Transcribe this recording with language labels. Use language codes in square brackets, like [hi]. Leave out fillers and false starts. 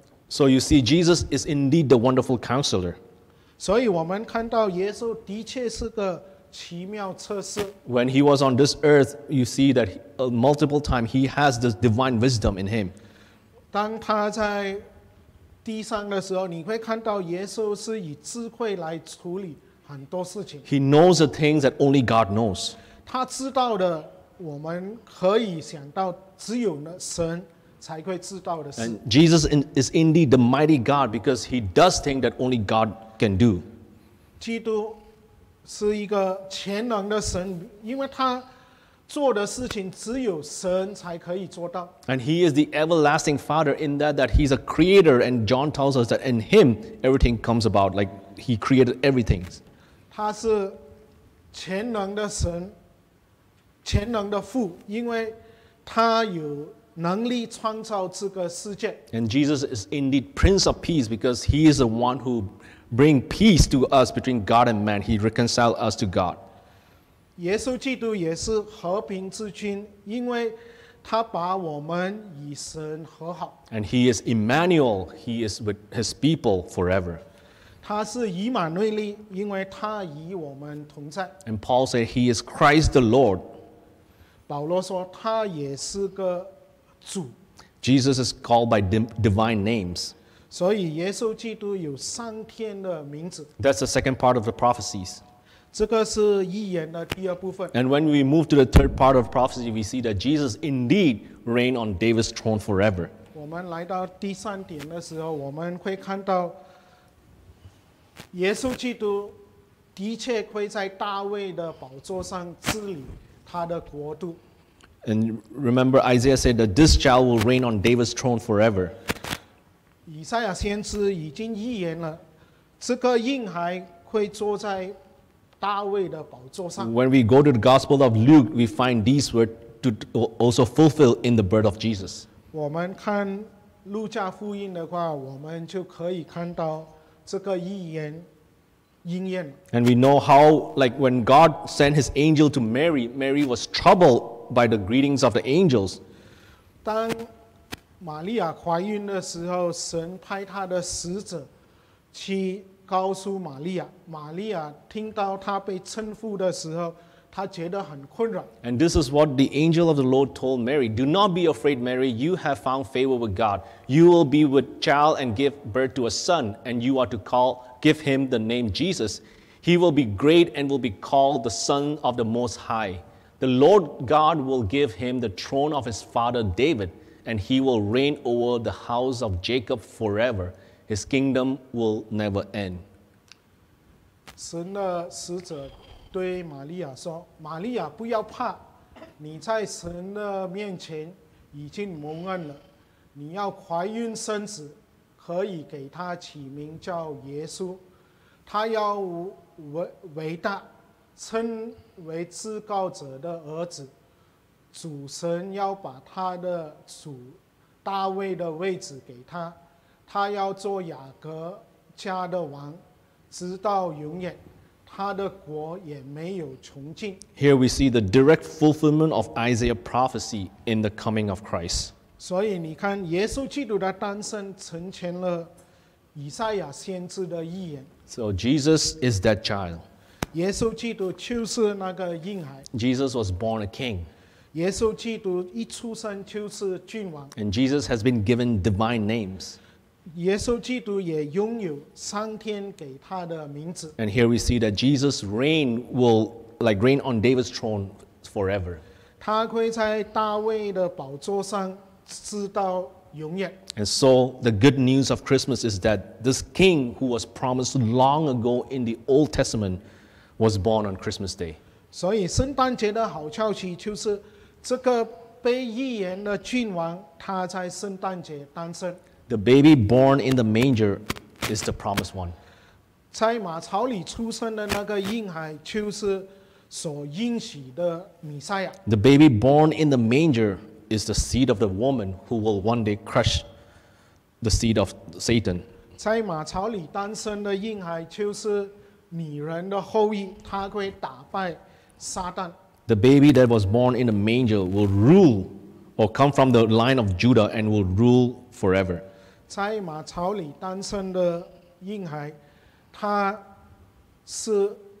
[en] So you see, Jesus is indeed the wonderful counselor. [zh] 所以我们看到耶稣的确是个奇妙测试。 [en] When he was on this earth, you see that multiple times he has this divine wisdom in him. [zh] 当他在地上的时候，你会看到耶稣是以智慧来处理很多事情。 [en] He knows the things that only God knows. [zh] 他知道的，我们可以想到只有神才会知道的事。 [en] And Jesus is indeed the mighty God because he does things that only God can do. [zh] 基督是一个全能的神，因为他做的事情只有神才可以做到。 [en] And he is the everlasting Father in that he's a creator, and John tells us that in him everything comes about, like he created everything. [zh] 他是全能的神，全能的父，因为他有能力创造这个世界。 [en] And Jesus is indeed Prince of Peace because he is the one who bring peace to us between God and man. He reconciled us to God. [zh] 耶稣基督也是和平之君，因为他把我们与神和好。 [en] And he is Emmanuel. He is with his people forever. [zh] 他是以马内利，因为他与我们同在。 [en] And Paul said he is Christ the Lord. [zh] 保罗说他也是个主。 [en] Jesus is called by divine names. [zh] 所以耶稣基督有上天的名字。 [en] That's the second part of the prophecies. [zh] 这个是预言的第二部分。 [en] And when we move to the third part of prophecy, we see that Jesus indeed reigned on David's throne forever. [zh] 我们来到第三点的时候，我们会看到耶稣基督的确会在大卫的宝座上治理他的国度。 [en] And remember, Isaiah said that this child will reign on David's throne forever. [zh] 以赛亚先知已经预言了，这个婴孩会坐在大卫的宝座上。 [en] When we go to the Gospel of Luke, we find these words to also fulfill in the birth of Jesus. [zh] 我们看路加福音的话，我们就可以看到这个预言。 [en] And we know how, like when God sent his angel to Mary, Mary was troubled by the greetings of the angels. [zh] 当玛利亚怀孕的时候，神派他的使者去告诉玛利亚。玛利亚听到他被称呼的时候，他觉得很困扰。 [en] And this is what the angel of the Lord told Mary. Do not be afraid, Mary. You have found favor with God. You will be with child and give birth to a son, and you are to call give him the name Jesus. He will be great and will be called the Son of the Most High. The Lord God will give him the throne of his father David, and he will reign over the house of Jacob forever. His kingdom will never end. [zh] 神的使者对玛利亚说，玛利亚不要怕，你在神的面前已经蒙恩了，你要怀孕生子，可以给他起名叫耶稣，他要伟大，称为至高者的儿子，主神要把他的主大卫的位置给他，他要做雅各家的王，直到永远，他的国也没有穷尽。 [en] Here we see the direct fulfillment of Isaiah's prophecy in the coming of Christ. [zh] 所以你看，耶稣基督的诞生成全了以赛亚先知的预言。 [en] So Jesus is that child. [zh] 耶稣基督就是那个婴孩。 [en] Jesus was born a king. [zh] 耶稣基督一出生就是君王。 [en] And Jesus has been given divine names. [zh] 耶稣基督也拥有上天给他的名字。 [en] And here we see that Jesus reign will like reign on David's throne forever. [zh] 他会在大卫的宝座上直到永远。 [en] And so the good news of Christmas is that this king who was promised long ago in the Old Testament was born on Christmas Day. [zh] 所以圣诞节的好消息就是这个被预言的君王他在圣诞节诞生。 [en] The baby born in the manger is the promised one. [zh] 在马槽里出生的那个婴孩就是所应许的弥赛亚。 [en] The baby born in the manger is the seed of the woman who will one day crush the seed of Satan. [zh] 在马槽里诞生的婴孩就是女人的后裔，他会打败撒旦。 [en] The baby that was born in the manger will rule or come from the line of Judah and will rule forever. [zh] 在马槽里诞生的婴孩，他是